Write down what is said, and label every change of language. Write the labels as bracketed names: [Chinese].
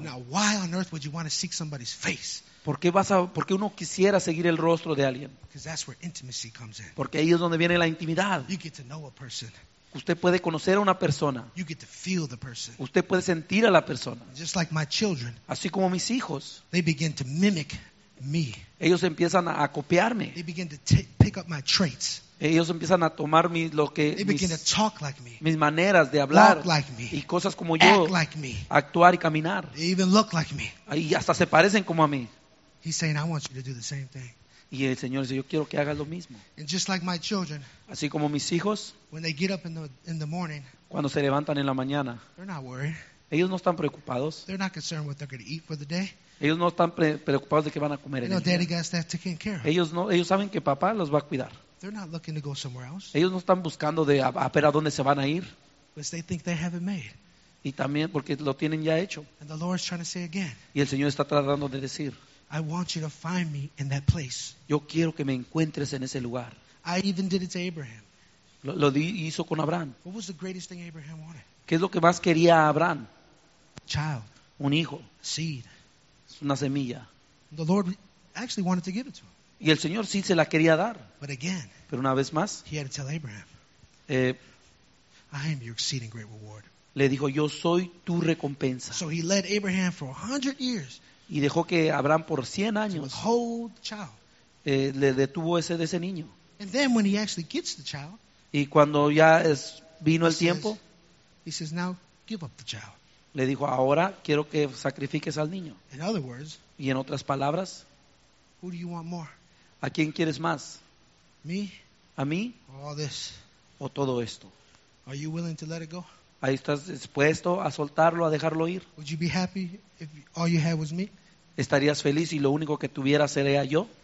[English] Now, why on earth would you want to seek somebody's face? [Spanish] Por qué uno quisiera seguir el rostro de alguien? [English] Because that's where intimacy comes in. [Spanish] Porque ahí es donde viene la intimidad. [English] You get to know a person. [Spanish] Usted puede conocer a una persona. [English] You get to feel the person. [Spanish] Usted puede sentir a la persona. [English] Just like my children. [Spanish] Así como mis hijos. [English] They begin to mimic me. [Spanish] Ellos empiezan a copiarme. [English] They begin to pick up my traits. [Spanish] Ellos empiezan a tomar mis maneras de hablar, [English] walk like me, [Spanish] y cosas como yo, [English] act like me, [Spanish] actuar y caminar. [English] They even look like me. [Spanish] Y hasta se parecen como a mí. [English] He's saying, I want you to do the same thing. [Spanish] Y el Señor dice, yo quiero que hagas lo mismo. [English] And just like my children, [Spanish] así como mis hijos, [English] when they get up in the morning, [Spanish] cuando se levantan en la mañana, [English] they're not worried. [Spanish] Ellos no están preocupados. [English] They're not concerned what they're going to eat for the day. [Spanish] Ellos no están preocupados de qué van a comer en el día. [English] Daddy got taken care of. [Spanish] Ellos saben que papá los va a cuidar. [English] They're not looking to go somewhere else. [Spanish] Ellos no están buscando de a ver a dónde se van a ir. [English] Because they think they have it made. [Spanish] Y también porque lo tienen ya hecho. [English] And the Lord is trying to say again. [Spanish] Y el Señor está tratando de decir. [English] I want you to find me in that place. [Spanish] Yo quiero que me encuentres en ese lugar. [English] I even did it to Abraham. [Spanish] Lo hizo con Abraham. [English] What was the greatest thing Abraham wanted? [Spanish] ¿Qué es lo que más quería Abraham? [English] Child. [Spanish] Un hijo. [English] Seed. [Spanish] Una semilla. [English] The Lord actually wanted to give it to him. [Spanish] Y el Señor sí se la quería dar. [English] But again, [Spanish] pero una vez más, [English] he had to tell Abraham, I am your exceeding great reward. [Spanish] Le dijo, yo soy tu recompensa. [English] So he led Abraham for 100 years. [Spanish] Y dejó que Abraham por 100 años [English] withhold the child. [Spanish] Le detuvo ese de ese niño. [English] And then when he actually gets the child, [Spanish] y cuando ya es, vino el tiempo, [English] he says, now give up the child. [Spanish] Le dijo, ahora quiero que sacrifiques al niño. [English] In other words, [Spanish] y en otras palabras, [English] who do you want more? [Spanish] ¿A quién quieres más? [English] Me? [Spanish] ¿A mí? [English] Or all this? [Spanish] ¿O todo esto? [English] Are you willing to let it go? [Spanish] ¿Ahí estás dispuesto a soltarlo, a dejarlo ir? [English] Would you be happy if all you had was me? [Spanish] ¿Estarías feliz y lo único que tuviera sería yo?